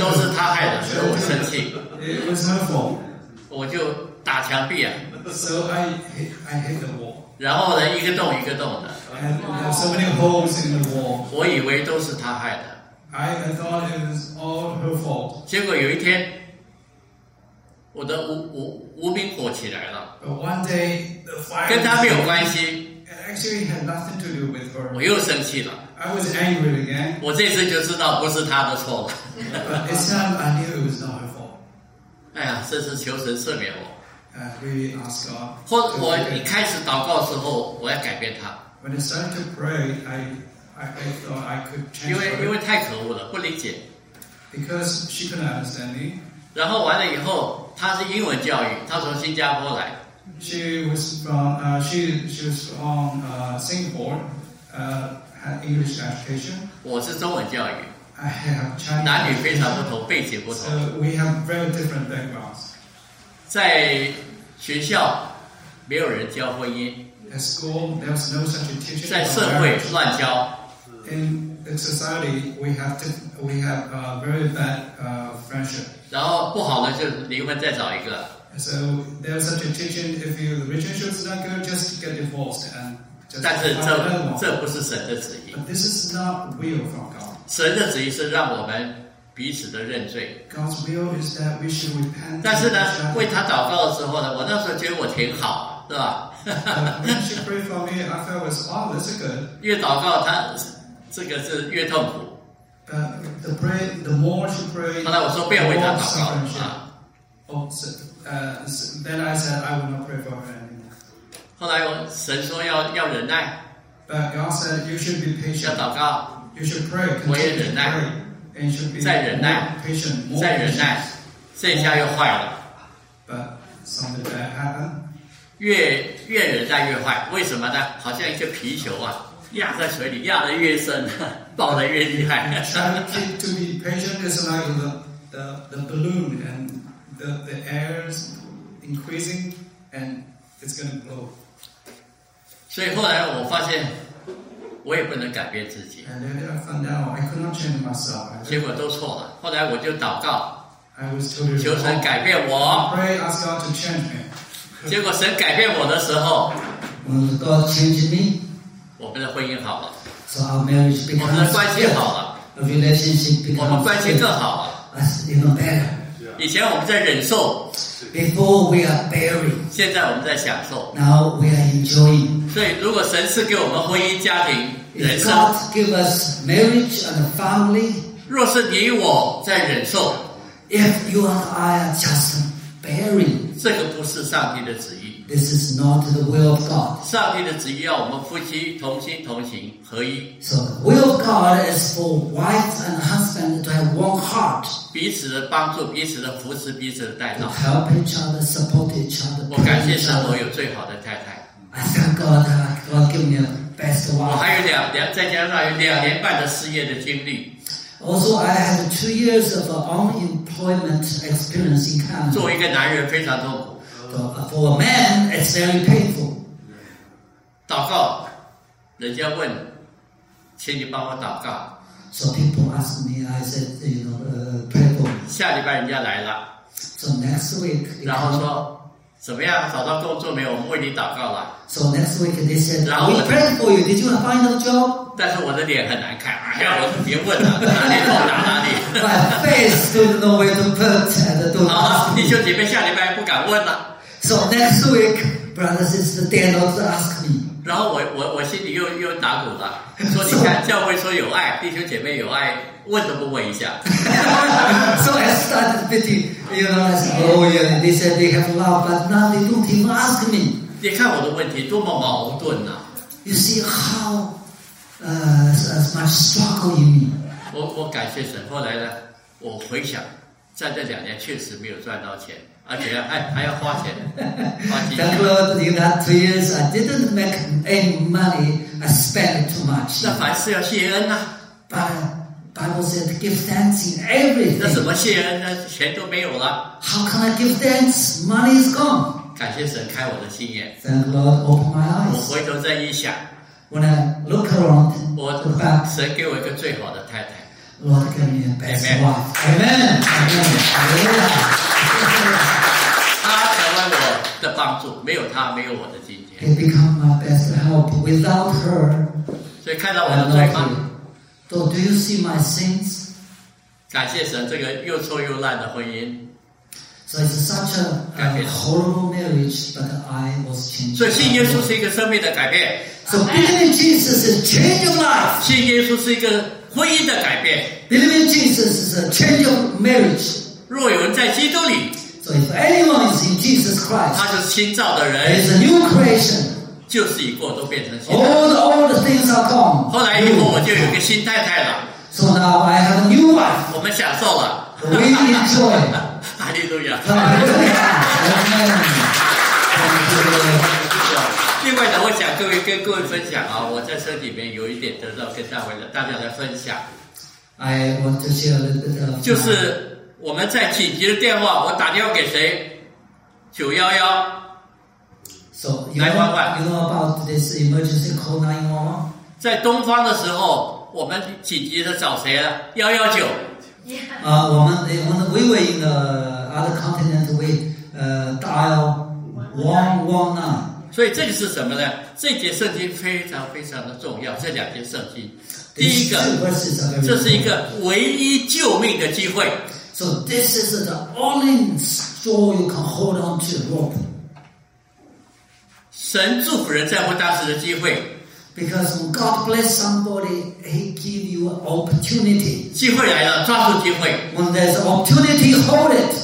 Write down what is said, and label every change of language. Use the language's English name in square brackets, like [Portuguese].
[Chinese] 都是他害的，所以我生气。 [English] It was my fault. [Chinese] 我就打墙壁啊。 [English] So I hit the wall. [Chinese] 然后呢，一个洞一个洞的。 [English] I have so many holes in the wall. [Chinese] 我以为都是他害的。 [English] I thought it was all her fault. [Chinese] 结果有一天。我的 无名火起来了 [English] But one day, the fire [Chinese] 跟他没有关系 [English] actually had nothing to do with her. [Chinese] 我又生气了 [English] I was angry again. [Chinese] 我这次就知道不是他的错了 [English] But this time I knew it was not her fault. [Chinese] 哎呀，这是求神赦免我 [English] really ask God. [Chinese] 或我一开始祷告的时候我要改变他 [English] When I started to pray I thought I could change her. [Chinese] 因为太可恶了，不理解 [English] Because she couldn't understand me. [Chinese] 然后完了以后他是英文教育，他从新加坡来。 [English] She was from Singapore, had English education. [Chinese] 我是中文教育。 [English] I have Chinese. [Chinese] 男女非常不同，背景不同。 [English] So we have very different backgrounds. [Chinese] 在学校没有人教婚姻。 [English] At school, there was no such a teaching. [Chinese] 在社会乱教。 [English] In society, we have very bad friendship. [Chinese] 然后不好的就离婚再找一个。 [English] So there's such a teaching if your relationship is not good, just get divorced and just. [Chinese] 但是这不是神的旨意。 [English] But this is not will from God. [Chinese] 神的旨意是让我们彼此的认罪。 [English] God's will is that we should repent. [Chinese] 但是呢，为他祷告的时候呢，我那时候觉得我挺好，是吧？ [English] She prayed for me. I felt was all this good. [Chinese] 越祷告，他这个是越痛苦。 [English] The more she prayed, the more suffering she had. Then I said, I will not pray for her anymore. [Chinese] 后来神说要忍耐。 [English] But God said, you should be patient. [Chinese] 要祷告。 [English] You should pray. [Chinese] 我也忍耐。 [English] And you should be more patient. [Chinese] 再忍耐。这下又坏了。 [English] But something bad happened. [Chinese] 越忍耐越坏，为什么呢？好像一个皮球啊。压在水里，压得越深，爆得越厉害。 [English] To be patient is like the balloon and the air is increasing and it's gonna blow. [Chinese] 所以后来我发现，我也不能改变自己。 [English] And then I found out I could not change myself. [Chinese] 结果都错了。后来我就祷告， [English] I was told you [Chinese] 求神改变我。 [English] Pray, ask God to change me. [Chinese] 结果神改变我的时候 [English] ，When God changed me. [Chinese] 我们的婚姻好了 [English] so our marriage becomes [Chinese] 我们的关系好了 [English] relationship becomes [Chinese] 我们关系更好了 [English] even better. [Chinese] 以前我们在忍受 [English] Before we are bearing. [Chinese] 现在我们在享受 [English] Now we are enjoying. [Chinese] 所以如果神赐给我们婚姻家庭 [English] If God give us marriage and family. [Chinese] 若是你我在忍受 [English] If you and I are just bearing. [Chinese] 这个不是上帝的旨意 [English] This is not the will of God. [Chinese] 上帝的旨意要我们夫妻同心同行合一。 [English] So the will of God is for wife and husband to have one heart. [Chinese] 彼此的帮助，彼此的扶持，彼此的带到。 [English] To help each other, support each other. [Chinese] 我感谢神，我有最好的太太。 [English] I thank God, God give me the best wife. [Chinese] 我还有两再加上有两年半的失业的经历。 [English] Also, I have 2 years of unemployment experience in Canada. [Chinese] 作为一个男人，非常痛苦。 [English] For a man, it's very painful. [Chinese] 祷告，人家问，请你帮我祷告。 [English] So people ask me, I said, you know, pray for me. [Chinese] 下礼拜人家来了。 [English] So next week. [Chinese] 然后说，怎么样？找到工作没有？我们为你祷告了。 [English] So next week they said, we pray for you. Did you find a job? [Chinese] 但是我的脸很难看，哎呀，我就别问了，哪里痛打哪里。 [English] My face don't know where to put and don't ask. [Chinese] 好，弟兄姐妹，下礼拜不敢问了。 [English] So next week, brothers and sisters, dare not ask me. [Chinese] 然后我心里又打鼓了，说你看教会说有爱，弟兄姐妹有爱，问都不问一下。 [English] So I started thinking, you know, I said, oh yeah, they said they have love, but now they don't even ask me. [Chinese] 你看我的问题多么矛盾呐、啊、 [English] ！You see how, as my struggle in me. [Chinese] 我感谢神，后来呢，我回想，在这两年确实没有赚到钱。而且还要花钱。 [English] That was in that 2 years. I didn't make any money. I spent too much. [Chinese] 那凡事要谢恩啊。 [English] Bible said, "Give thanks in everything." [Chinese] 那什么谢恩呢？钱都没有了。 [English] How can I give thanks? Money is gone. [Chinese] 感谢神开我的心眼。 [English] Thank God, open my eyes. [Chinese] 我回头再一想 [English] ，When I look around, [Chinese] 我的爸，神给我一个最好的太太。 [English] Lord, give me a best Amen. wife. Amen. Amen. Amen. [Chinese] 他成为我的帮助，没有他，没有我的今天。 [English] He become my best help without her. [Chinese] 所以看到我的罪吗 [English] ？So do you see my sins? [Chinese] 感谢神，这个又臭又烂的婚姻。 [English] So it's such a horrible marriage, but I was changed. [Chinese] 所以信耶稣是一个生命的改变。 [English] So believing Jesus is change your life. [Chinese] 信耶稣是一个婚姻的改变。 [English] Believing Jesus is a change your marriage. [Chinese] 若有人在基督里 [English] So if anyone is in Jesus Christ, [Chinese] 他就是新造的人 [English] He is a new creation. [Chinese] 旧事已过都变成新 [English] All the things are gone. [Chinese] 后来以后我就有个新太太了 [English] So now I have a new wife. [Chinese] 我们享受了 [English] We enjoy. [Chinese] 哈利路亚 另外呢我想各位跟各位分享啊，我在车里面有一点得到跟大家来分享 [English] I want to share a little bit of [Chinese] 就是我们在紧急的电话，我打电话给谁？ 911。 [English] So you know about this emergency call 911？ [Chinese] 在东方的时候，我们紧急的找谁啊？ 119。 [English] Yeah. [Chinese] 我们 [English] we were in the other continent. We dial 119。 [Chinese] 所以这个是什么呢？这节圣经非常非常的重要。这两节圣经，第一个，这是一个唯一救命的机会。 [English] So this is the only straw you can hold on to, rope. [Chinese] 神祝福人在乎当时的机会 [English] Because when God bless somebody, He give you an opportunity. [Chinese] 机会来了，抓住机会 [English] When there's opportunity, hold it.